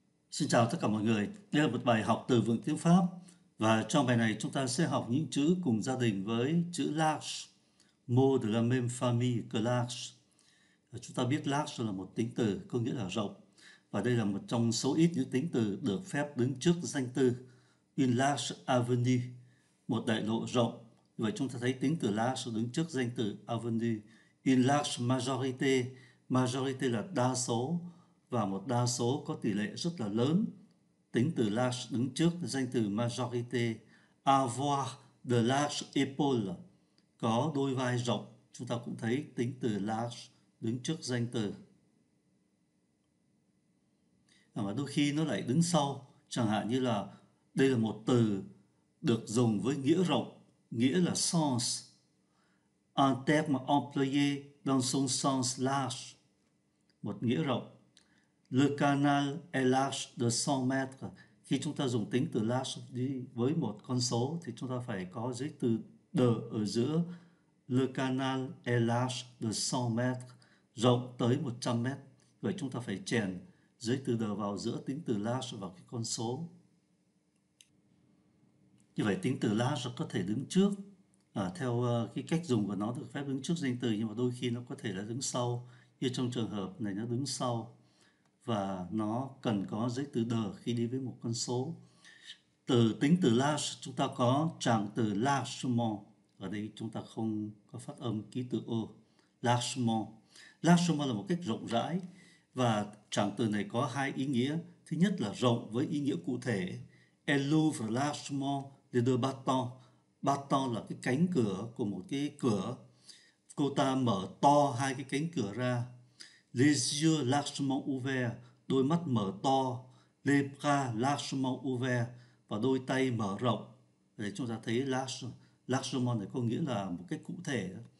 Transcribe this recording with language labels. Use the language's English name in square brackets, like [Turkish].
[Vietnamese] Xin chào tất cả mọi người. Đây là một bài học từ vựng tiếng Pháp và trong bài này chúng ta sẽ học những chữ cùng gia đình với chữ large. [French] Mot de la même famille que large. [Vietnamese] Chúng ta biết large là một tính từ có nghĩa là rộng và đây là một trong số ít những tính từ được phép đứng trước danh từ [French] une large avenue, [Vietnamese] một đại lộ rộng. Vậy chúng ta thấy tính từ large đứng trước danh từ avenue. [French] Une large majorité, [Vietnamese] majorité là đa số. Và một đa số có tỷ lệ rất là lớn. Tính từ large đứng trước danh từ majorité. [French] Avoir de large épaules. [Vietnamese] Có đôi vai rộng. Chúng ta cũng thấy tính từ large đứng trước danh từ. Và đôi khi nó lại đứng sau. Chẳng hạn như là đây là một từ được dùng với nghĩa rộng. Nghĩa là sens. [French] Un terme employé dans son sens large. [Vietnamese] Một nghĩa rộng. [French] Le canal est large de 100 mètres. [Vietnamese] Khi chúng ta dùng tính từ large đi với một con số thì chúng ta phải có dưới từ de ở giữa. [French] Le canal est large de 100 mètres. [Vietnamese] Rộng tới 100 mètres. Vậy chúng ta phải chèn dưới từ de vào giữa tính từ large và cái con số. Như vậy tính từ large có thể đứng trước. Theo cái cách dùng của nó được phép đứng trước danh từ nhưng mà đôi khi nó có thể là đứng sau. Như trong trường hợp này nó đứng sau. Và nó cần có giấy từ the khi đi với một con số. Từ tính từ large, chúng ta có trạng từ largement. Ở đây chúng ta không có phát âm ký tự O. Largement. Largement là một cách rộng rãi. Và trạng từ này có hai ý nghĩa. Thứ nhất là rộng với ý nghĩa cụ thể. [French] Elle ouvre largement les deux battants. [Vietnamese] Battants là cái cánh cửa của một cái cửa. Cô ta mở to hai cái cánh cửa ra. [French] Les yeux largement ouverts, [Vietnamese] đôi mắt mở to. [French] Les bras largement ouverts, [Vietnamese] và đôi tay mở rộng. Để chúng ta thấy largement này có nghĩa là một cách cụ thể.